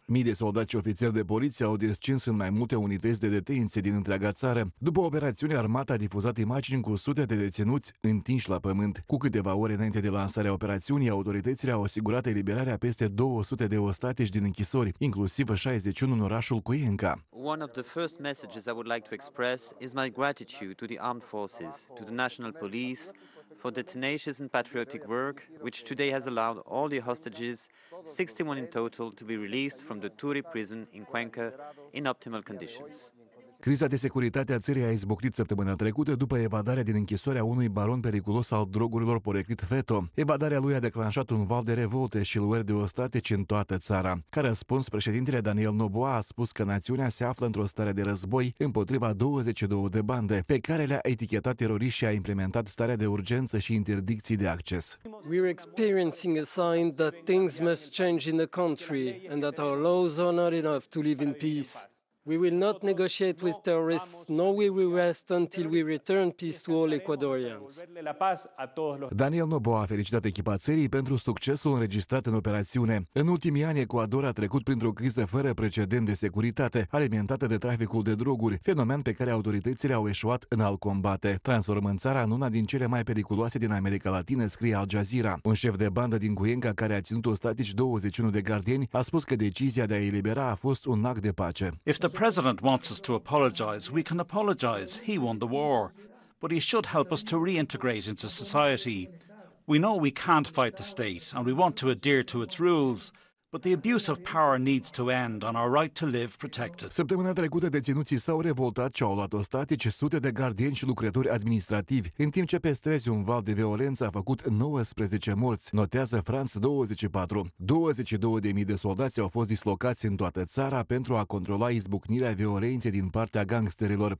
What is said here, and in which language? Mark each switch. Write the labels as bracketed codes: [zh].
[ro] Mii de soldați și ofițeri de poliție au descins în mai multe unități de detenție din întreaga țară. După operațiune, armata a difuzat imagini cu sute de deținuți întinși la pământ. Cu câteva ore înainte de lansarea operațiunii, autoritățile au asigurat eliberarea peste 200 de ostatici din închisori, inclusiv 61 în orașul Cuenca. [en] One of the first messages I would like to express is my gratitude to the armed forces, to the National Police, for the tenacious and patriotic work which today has allowed all the hostages, 61 in total, to be released from the Turi prison in Cuenca in optimal conditions. [ro] Criza de securitate a țării a izbucnit săptămâna trecută după evadarea din închisoarea unui baron periculos al drogurilor poreclit Feto. Evadarea lui a declanșat un val de revolte și lueri de ostatici în toată țara. Ca răspuns, președintele Daniel Noboa a spus că națiunea se află într-o stare de război împotriva 22 de bande, pe care le-a etichetat teroriști și a implementat starea de urgență și interdicții de acces. [en] We're experiencing a sign that things must change in the country and that our laws are not enough to live in peace. We will not negotiate with terrorists, nor will we rest until we return peace to all Ecuadorians. [ro] Daniel Noboa a felicitat echipa țării pentru succesul înregistrat în operațiune. În ultimii ani, Ecuador a trecut printr-o criză fără precedent de securitate, alimentată de traficul de droguri, fenomen pe care autoritățile au eșuat în a-l combate, transformând țara în una din cele mai periculoase din America Latină, scrie Al Jazeera. Un șef de bandă din Cuenca, care a ținut ostatici 21 de gardieni, a spus că decizia de a elibera a fost un act de pace. [en] The president wants us to apologize. We can apologize. He won the war. but he should help us to reintegrate into society. We know we can't fight the state and we want to adhere to its rules. But the abuse of power needs to end and our right to live protected. [ro] Săptămâna trecută, deținuții s-au revoltat și au luat ostatici sute de gardieni și lucrători administrativi, în timp ce pe străzi un val de violență a făcut 19 morți, notează France 24. 22.000 de soldați au fost dislocați în toată țara pentru a controla izbucnirea violenței din partea gangsterilor.